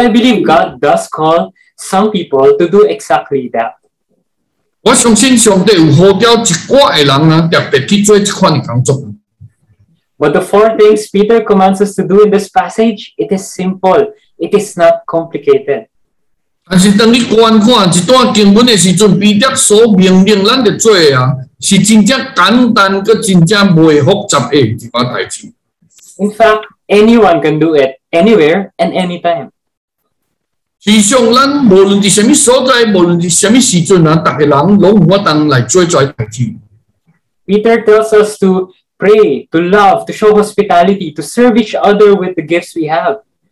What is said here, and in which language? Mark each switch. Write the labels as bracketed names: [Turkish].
[English] I believe God does call some people to do exactly that. [Min Nan Chinese] 我相信上帝有呼召一挂的人啊，特别去做这款的工作。 [English] But the four things Peter commands us to do in this passage, it is simple. It is not complicated. [Min Nan Chinese] 但是当你观看这段经文的时阵，彼得所命令咱的罪啊，是真正简单，佮真正袂复杂的一件代志。 [English] In fact, anyone can do it anywhere and anytime. [Min Nan Chinese] 实际上，咱无论伫什么所在，无论伫什么时阵啊，大家人拢有法当来做这代志。 [English] Peter tells us to pray, to love, to show hospitality, to serve each other with the gifts we have.